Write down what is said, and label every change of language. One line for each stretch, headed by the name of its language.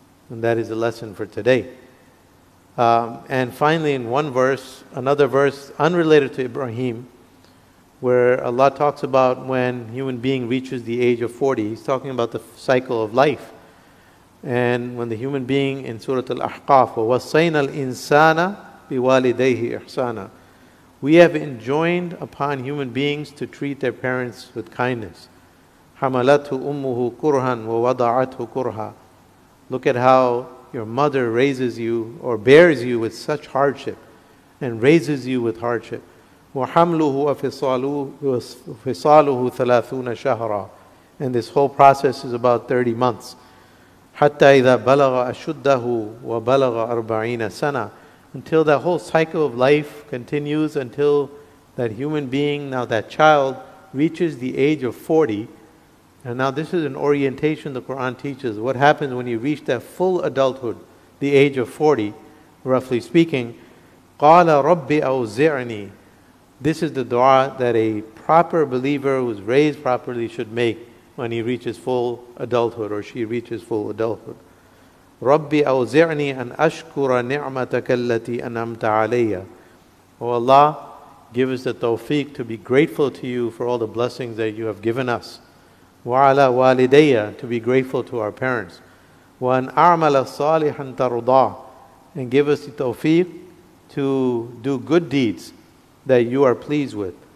English: And that is the lesson for today. And finally, in one verse, another verse unrelated to Ibrahim, where Allah talks about when human being reaches the age of 40, he's talking about the cycle of life. And when the human being in Surah Al-Ahqaf,
Arabic: وَوَصَّيْنَا الْإِنسَانَ بِوَالِدَيْهِ إِحْسَانًا,
English: we have enjoined upon human beings to treat their parents with kindness.
Arabic: حَمَلَتْهُ أُمُّهُ كُرْهًا وَوَضَعَتْهُ كُرْهًا.
English: Look at how your mother raises you or bears you with such hardship and raises you with hardship.
Arabic: وَحَمْلُهُ وَفِصَالُهُ ثَلَاثُونَ شَهْرًا.
English: And this whole process is about 30 months.
Arabic: حَتَّى إِذَا بَلَغَ أَشُدَّهُ وَبَلَغَ أَرْبَعِينَ سَنَةً.
English: Until that whole cycle of life continues, until that human being, now that child, reaches the age of 40. And now this is an orientation the Quran teaches. What happens when you reach that full adulthood, the age of 40, roughly speaking?
Arabic: قَالَ رَبِّ أَوْزِعْنِي.
English: This is the dua that a proper believer who is raised properly should make when he reaches full adulthood or she reaches full adulthood.
Arabic: رَبِّ أَوْزِعْنِي أَنْ أَشْكُرَ نِعْمَتَكَ الَّتِي أَنْعَمْتَ عَلَيَّ.
English: O Allah, give us the tawfiq to be grateful to you for all the blessings that you have given us.
Arabic: وَعَلَى وَالِدَيَّ,
English: to be grateful to our parents.
Arabic: وَأَنْ أَعْمَلَ صَالِحًا تَرُضَى,
English: and give us the tawfiq to do good deeds that you are pleased with.